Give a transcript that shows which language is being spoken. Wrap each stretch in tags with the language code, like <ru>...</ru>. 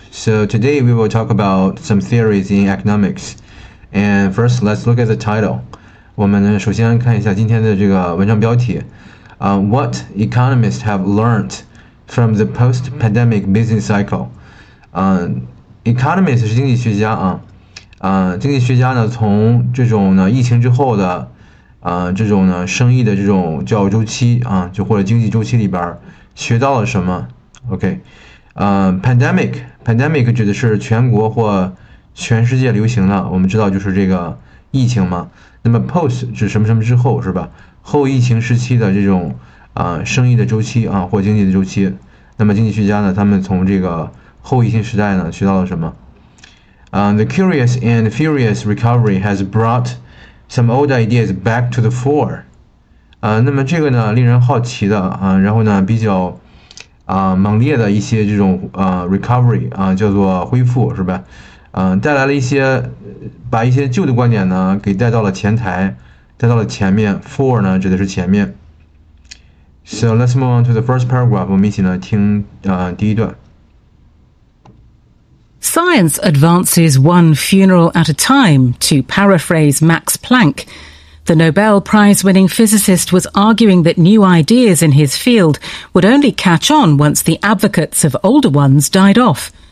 <en>So today we will talk about some theories in economics. And first, let's look at the title.</en> <zh>我们首先看一下今天的这个文章标题。</zh> <en>What economists have learned from the post-pandemic business cycle.</en> <zh>Economist 是经济学家啊。经济学家呢，从这种呢疫情之后的，这种呢生意的这种叫周期啊，就或者经济周期里边学到了什么？ OK， pandemic 指的是全国或全世界流行了，我们知道就是这个疫情嘛。那么 post 指什么什么之后是吧？后疫情时期的这种生意的周期啊，或经济的周期。那么经济学家呢，他们从这个后疫情时代呢学到了什么？</zh> <en>The curious and furious recovery has brought some old ideas back to the fore。</en> <zh>那么这个呢，令人好奇的啊，然后呢比较。猛烈的一些这种recovery 啊，叫做恢复是吧？带来了一些，把一些旧的观点呢给带到了前台，带到了前面。 For 呢指的是前面。</zh> <en>So let's move on to the first paragraph.</en> <zh>我们一起呢听第一段。</zh> <en>Science advances one funeral at a time. To paraphrase Max Planck. The Nobel Prize-winning physicist was arguing that new ideas in his field would only catch on once the advocates of older ones died off.</en>